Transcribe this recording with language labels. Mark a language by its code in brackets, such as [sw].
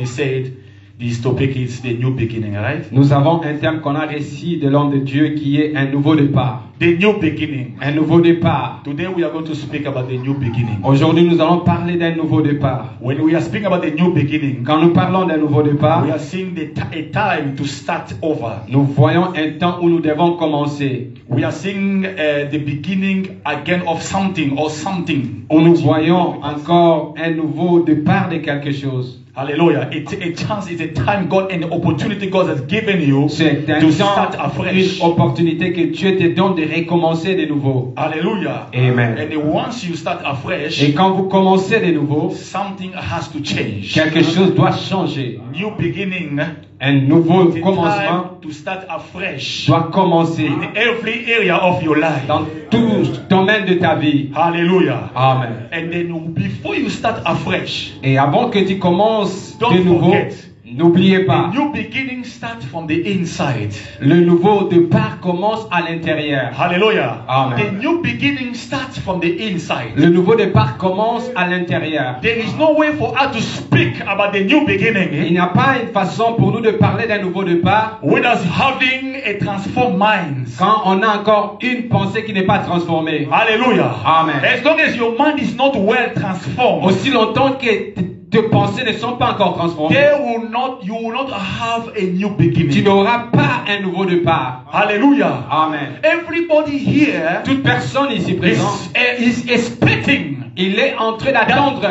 [en] He said this topic is the new beginning, right? [fr] Nous avons un terme qu'on a reçu de l'homme de Dieu qui est un nouveau départ. [en] The new beginning. [fr] Un nouveau départ. [en] Today we are going to speak about the new beginning. [fr] Aujourd'hui nous allons parler d'un nouveau départ. [en] When we are speaking about the new beginning, [fr] quand nous parlons d'un nouveau départ, [en] we are seeing a time to start over. [fr] Nous voyons un temps où nous devons commencer. [en] We are seeing the beginning again of something or something. [fr] Où nous voyons encore un nouveau départ de quelque chose. [en] Hallelujah! It's a chance, it's a time God and the opportunity God has given you to start afresh. [fr] Une opportunité que Dieu te donne de recommencer de nouveau. [en] Hallelujah! Amen. And once you start afresh, [fr] et quand vous commencez de nouveau, [en] something has to change. [fr] Quelque chose doit changer. [en] New beginning. [fr] Un nouveau commencement [en] to start afresh [fr] doit commencer [en] in every area of your life. [fr] Dans tout domaine de ta vie. [en] Hallelujah. Amen. And then before you start afresh, [fr] et avant que tu commences de nouveau, [en] forget, [fr] n'oubliez pas, [en] the new beginning starts from the inside. [fr] Le nouveau départ commence à l'intérieur. [en] Hallelujah. Amen. The new beginning starts from the inside. [fr] Le nouveau départ commence à l'intérieur. [en] There is no way for us to speak about the new beginning. [fr] Il n'y a pas une façon pour nous de parler d'un nouveau départ. [en] With us having a transformed mind. [fr] Quand on a encore une pensée qui n'est pas transformée. [en] Hallelujah. Amen. As long as your mind is not well transformed. [fr] Aussi longtemps que tes pensées ne sont pas encore transformées. [en] You will not have a new beginning. [fr] Tu n'auras pas un nouveau départ. [en] Hallelujah. Amen. Everybody here, [fr] toute personne ici présente, [en] is expecting. [fr] Il est en train d'attendre